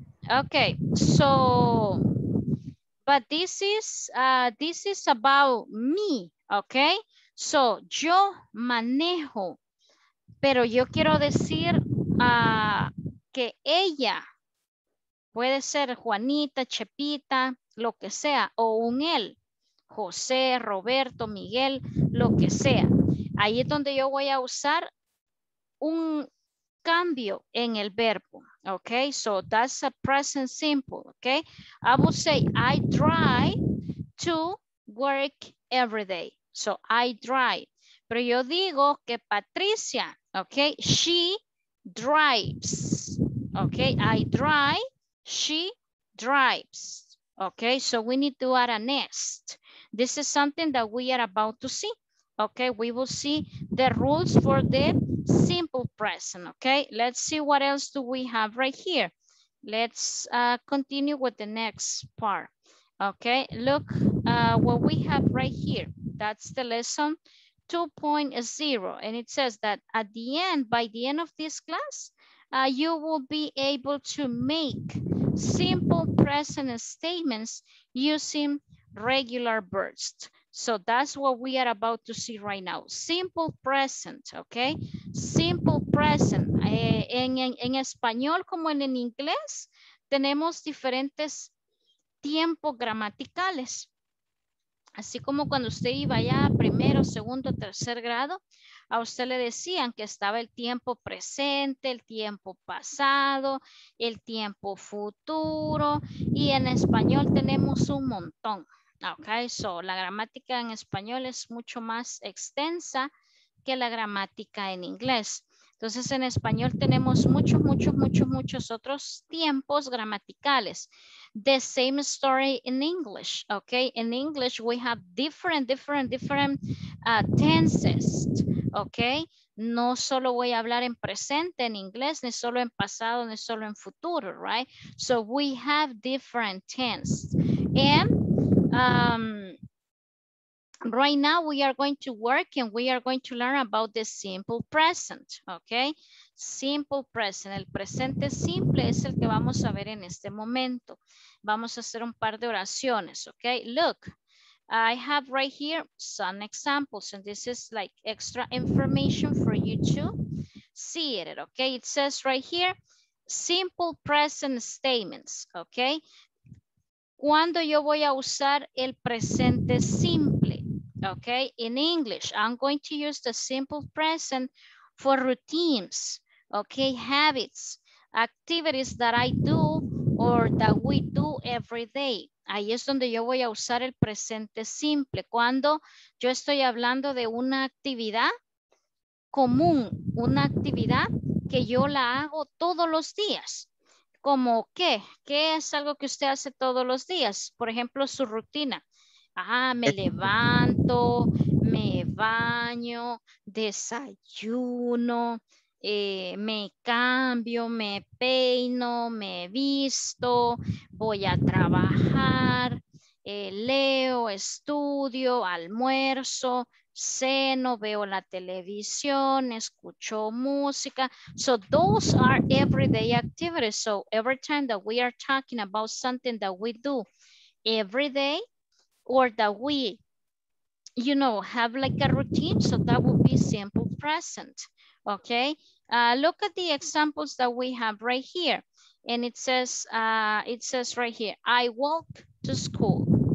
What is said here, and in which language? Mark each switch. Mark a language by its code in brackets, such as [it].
[en] Ok, so, but this is about me, ok? [es] So, yo manejo, pero yo quiero decir que ella, puede ser Juanita, Chepita, lo que sea, o un él, José, Roberto, Miguel, lo que sea. Ahí es donde yo voy a usar un cambio en el verbo. [en] Okay, so that's a present simple, okay? I would say, I try to work every day. So I try. [es] Pero yo digo que [en] Patricia, okay, she drives. Okay, I drive, she drives. Okay, so we need to add a nest. This is something that we are about to see. Okay, we will see the rules for the simple present. Okay, let's see what else do we have right here. Let's continue with the next part. Okay, look what we have right here. That's the lesson 2.0. And it says that at the end, by the end of this class, you will be able to make simple present statements using regular verbs. So that's what we are about to see right now. Simple present, okay? Simple present. [es] En español como en inglés, tenemos diferentes tiempos gramaticales. Así como cuando usted iba ya a primero, segundo, tercer grado, a usted le decían que estaba el tiempo presente, el tiempo pasado, el tiempo futuro, y en español tenemos un montón. Okay, so la gramática en español es mucho más extensa que la gramática en inglés. Entonces, en español tenemos muchos otros tiempos gramaticales. [en] The same story in English, okay? In English, we have different tenses, okay? [es] No solo voy a hablar en presente en inglés, ni solo en pasado, ni solo en futuro, right? [en] So, we have different tenses. And right now we are going to work and we are going to learn about the simple present, okay? [es] Simple present, el presente simple es el que vamos a ver en este momento. Vamos a hacer un par de oraciones, okay? [en] Look, I have right here some examples and this is like extra information for you to see it, okay? It says right here, simple present statements, okay? [es] ¿Cuándo yo voy a usar el presente simple? [en] Okay, in English, I'm going to use the simple present for routines, okay, habits, activities that I do or that we do every day. [es] Ahí es donde yo voy a usar el presente simple. Cuando yo estoy hablando de una actividad común, una actividad que yo la hago todos los días. ¿Cómo qué? ¿Qué es algo que usted hace todos los días? Por ejemplo, su rutina. Ah, me levanto, me baño, desayuno, me cambio, me peino, me visto, voy a trabajar, leo, estudio, almuerzo, ceno, veo la televisión, escucho música. [en] So those are everyday activities. So every time that we are talking about something that we do every day or that we, you know, have like a routine, so that would be simple present, okay? Look at the examples that we have right here. And it says right here, I walk to school.